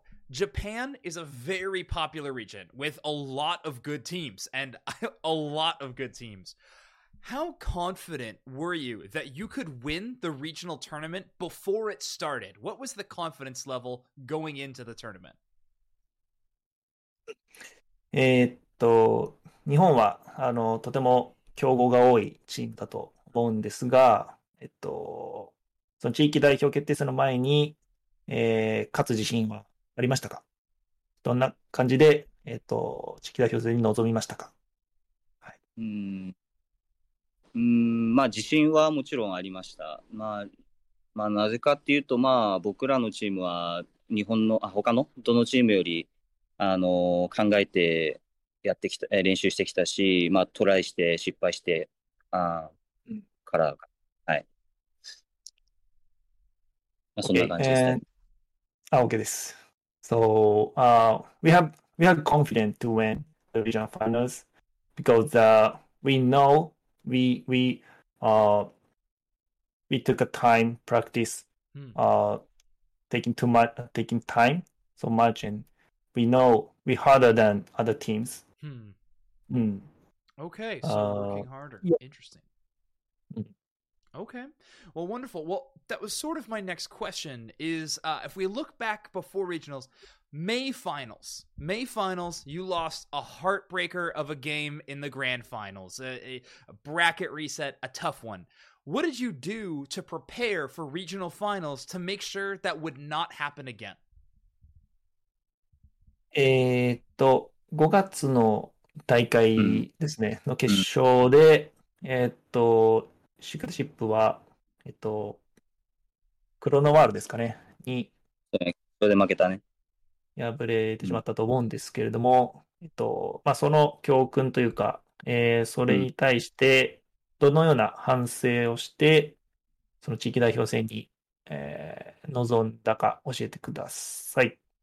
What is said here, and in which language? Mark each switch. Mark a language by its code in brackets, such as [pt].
[en] Japan is a very popular region with a lot of good teams and a lot of good teams. How confident were you that you could win the regional tournament before it started? What was the confidence level going into the tournament? [ja] 日本はとても強豪が多いチームだと思うんですが、その地域代表決定戦の前に、勝つ自信はありましたか？どんな感じで、地域代表戦に臨みましたか？はい、まあ自信はもちろんありました。まあなぜかっていうと、まあ僕らのチームは日本の、他のどのチームより考えてやってきた、練習してきたし、まあトライして失敗して、から、はい。まあ、そんな感じですね。 OK です。 [en] So, we have confidence to win the regional finals because, we know we took a time practice, taking time so much, and we know we're harder than other teams. Okay. So working harder. Yeah. Interesting. Okay. Well, wonderful. Well, that was sort of my next question is, if we look back before regionals, May finals, you lost a heartbreaker of a game in the grand finals, a bracket reset, a tough one. What did you do to prepare for regional finals to make sure that would not happen again? [ja] 5月の大会ですね、の決勝で、シークレシップは、クロノワールですかね、に、それで負けたね。敗れてしまったと思うんですけれども、まあ、その教訓というか、それに対して、どのような反省をして、その地域代表戦に、臨んだか教えてください。